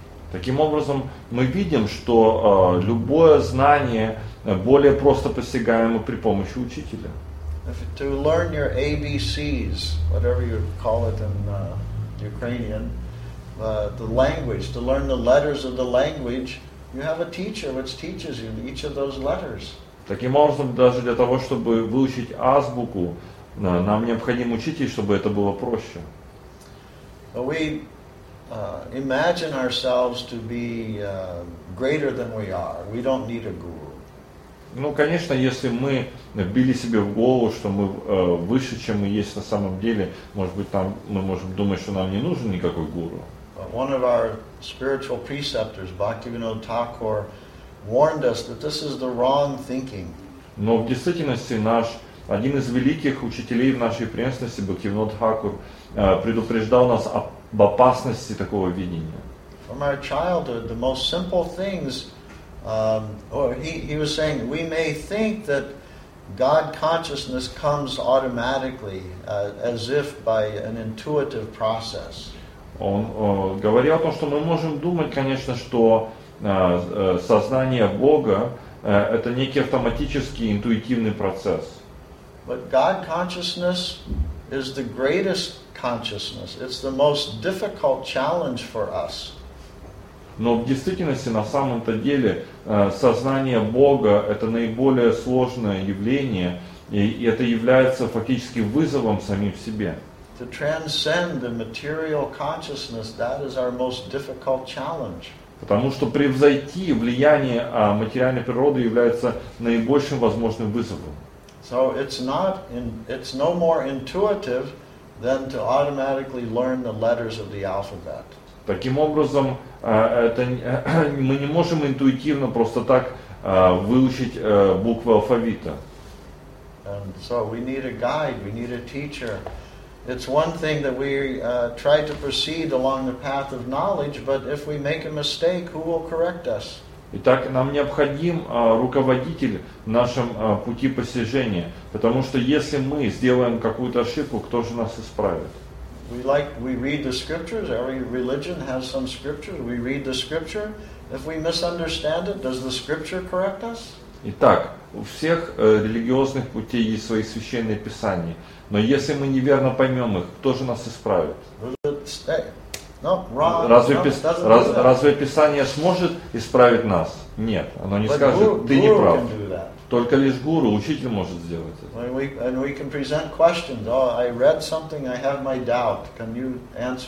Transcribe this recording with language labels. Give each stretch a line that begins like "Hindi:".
Russian: Таким образом, мы видим, что любое знание более просто постигаемо при помощи учителя.
English: If to learn your ABCs, whatever you call it in Ukrainian, the language, to learn the letters of the language, you have a teacher which teaches you each of those letters.
Russian: Таким образом, даже для того, чтобы выучить азбуку, нам необходим учитель, чтобы это было проще.
English: But we imagine ourselves to be greater than we are. We don't need a guru.
Russian: Ну, конечно, если мы вбили себе в голову, что мы выше, чем мы есть на самом деле, может быть, там мы можем думать, что нам не нужен никакой гуру.
English: One of our spiritual preceptors, Bhaktivinoda Thakur, warned us that this is the wrong thinking.
Russian: Но в действительности наш один из великих учителей в нашей преемственности, Бхактивинода Тхакур, предупреждал нас об опасности такого видения.
English: From our childhood, the most simple things. He was saying we may think that God consciousness comes automatically, as if by an intuitive process.
Russian: Он говорил о том, что мы можем думать, конечно, что сознание Бога это некий автоматический, интуитивный процесс.
English: But God consciousness is the greatest consciousness. It's the most difficult challenge for us.
Russian: Но в действительности, на самом-то деле, сознание Бога – это наиболее сложное явление, И это является фактически вызовом самим себе.
English: To transcend the material consciousness, that is our most difficult challenge.
Russian: Потому что превзойти влияние материальной природы является наибольшим возможным вызовом.
English: So it's no more intuitive than to automatically learn the letters of the alphabet.
Russian: Таким образом, это мы не можем интуитивно просто так выучить буквы алфавита.
English: And so we need a guide, we need a teacher. It's one thing that we try to proceed along the path of knowledge, but if we make a mistake, who will correct us?
Russian: Итак, нам необходим руководитель в нашем пути постижения, потому что если мы сделаем какую-то ошибку, кто же нас исправит?
English: We read the scriptures. Every religion has some scriptures. We read the scripture. If we misunderstand it, does the scripture correct us?
Russian: Итак, у всех религиозных путей есть свои священные писания. Но если мы неверно поймем их, кто же нас исправит? Разве Писание сможет исправить нас? Нет, оно не скажет, ты не прав. Только лишь гуру, учитель может сделать это.